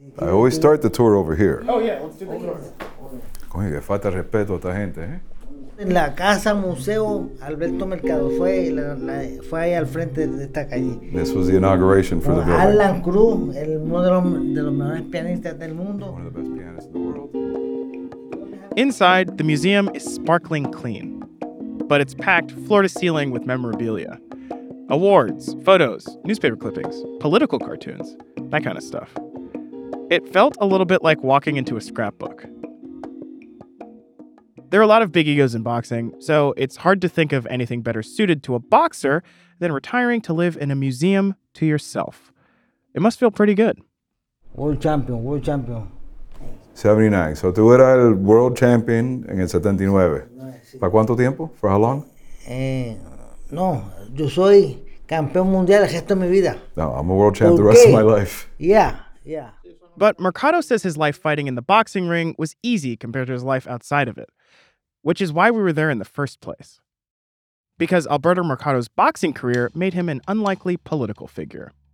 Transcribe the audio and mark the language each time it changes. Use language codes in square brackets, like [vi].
[en] I always start the tour over here. Oh yeah, let's do the tour. [es] Oye, que falta respeto a esta gente, ¿eh? En la Casa Museo Alberto Mercado fue ahí al frente de esta calle. [en] This was the inauguration for the building. [es] Alan Cruz, el uno de los mejores pianistas del mundo. [en] One of the best pianists in the world. Inside, the museum is sparkling clean, but it's packed floor to ceiling with memorabilia. Awards, photos, newspaper clippings, political cartoons, that kind of stuff. It felt a little bit like walking into a scrapbook. There are a lot of big egos in boxing, so it's hard to think of anything better suited to a boxer than retiring to live in a museum to yourself. It must feel pretty good. World champion. [es] 79. [en] So [es] tú eras el world champion en el 79. ¿Para cuánto tiempo? [en] For how long? [es] No, yo soy campeón mundial el resto de mi vida. [en] No, I'm a world champ the rest of my life. Yeah. But Mercado says his life fighting in the boxing ring was easy compared to his life outside of it, which is why we were there in the first place. Because Alberto Mercado's boxing career made him an unlikely political figure.